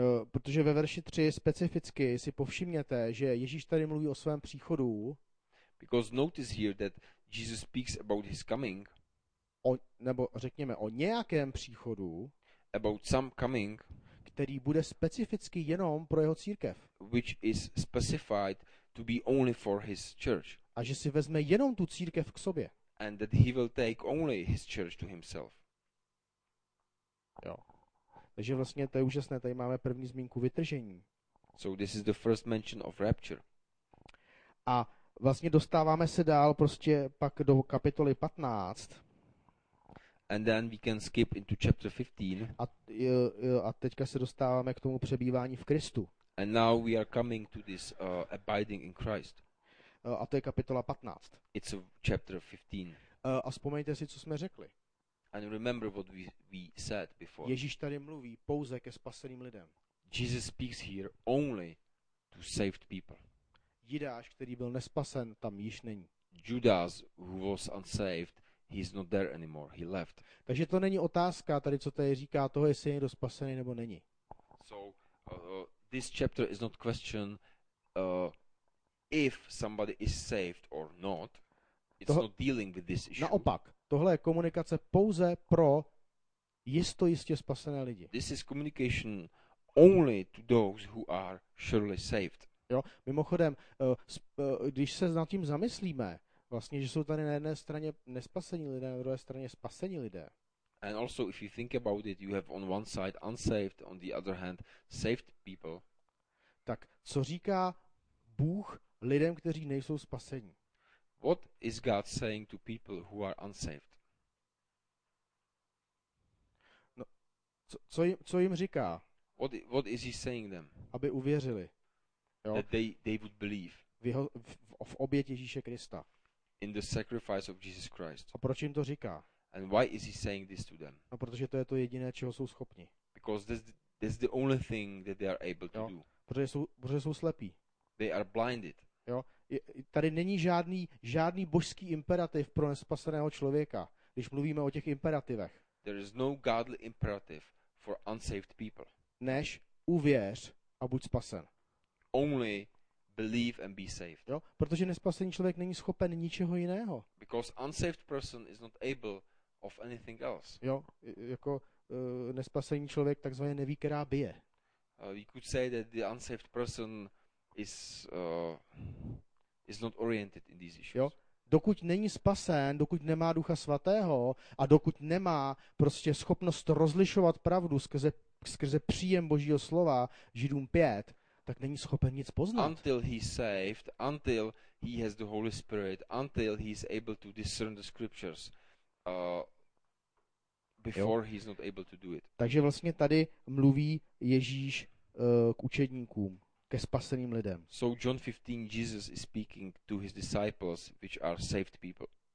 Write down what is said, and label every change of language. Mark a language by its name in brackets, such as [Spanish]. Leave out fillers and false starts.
[Czech] Protože ve verši 3 specificky si povšimněte, že Ježíš tady mluví o svém příchodu. [English] Because notice here that Jesus speaks about his coming. [Czech] Nebo řekněme o nějakém příchodu. [English] About some coming. [Czech] Který bude specificky jenom pro jeho církev. [English] Which is specified to be only for his church. [Czech] A že si vezme jenom tu církev k sobě. [English] And that he will take only his church to himself. [Czech] Jo. Takže vlastně to je úžasné, tady máme první zmínku vytržení. [English] So this is the first mention of rapture. [Czech] A vlastně dostáváme se dál prostě pak do kapitoly 15. [English] And then we can skip into chapter 15. [Czech] A teďka se dostáváme k tomu přebývání v Kristu. [English] And now we are coming to this abiding in Christ. [Czech] A to je kapitola 15. [English] It's chapter 15. [Czech] A vzpomeňte si, co jsme řekli. [English] And remember what we said before. [Czech] Ježíš tady mluví pouze ke spaseným lidem. [English] Jesus speaks here only to saved people. [Czech] Judas, který byl nespasen, tam již není. [English] Judas, who was unsaved, he's not there anymore. He left. [Czech] Takže to není otázka tady, co tady říká toho, jestli je někdo spasený nebo není. [English] So this chapter is not question if somebody is saved or not. It's not dealing with this issue. [Czech] Naopak. Tohle je komunikace pouze pro jistě spasené lidi. [English] This is communication only to those who are surely saved. [Czech] Jo, mimochodem, když se nad tím zamyslíme, vlastně, že jsou tady na jedné straně nespasení lidé, na druhé straně spasení lidé. [English] And also if you think about it, you have on one side unsaved, on the other hand saved people. [Czech] Tak co říká Bůh lidem, kteří nejsou spasení? [English] What is God saying to people who are unsaved? [Czech] No, co jim říká? [English] What is he saying them? [Czech] Aby uvěřili. Jo? [English] That they would believe. [Czech] V obět Ježíše Krista. [English] In the sacrifice of Jesus Christ. [Czech] A proč jim to říká? [English] And why is he saying this to them? [Czech] No, protože to je to jediné, čeho jsou schopni. [English] Because this is the only thing that they are able to, [Czech] jo, [English] do. [Czech] Protože jsou slepí. [English] They are blinded. [Czech] Jo? Tady není žádný božský imperativ pro nespaseného člověka, když mluvíme o těch imperativech. [English] There is no godly imperative for unsaved people. [Czech] Než uvěř a buď spasen. [English] Only believe and be saved. [Czech] Jo? Protože nespasený člověk není schopen ničeho jiného. [English] Because unsaved person is not able of anything else. [Czech] Jo, jako nespasený člověk takzvaně neví, která bije. [English] We could say that the unsaved person is not oriented in these issues. [Czech] Jo? Dokud není spasen, dokud nemá Ducha Svatého a dokud nemá prostě schopnost rozlišovat pravdu skrze příjem Božího slova Židům 5, tak není schopen nic poznat. [English] Until he's saved, until he has the Holy Spirit, until he's able to discern the scriptures, before he's not able to do it. [Czech] Takže vlastně tady mluví Ježíš k učedníkům, ke spaseným lidem. [English] So John 15, Jesus is speaking to his disciples, which are saved people.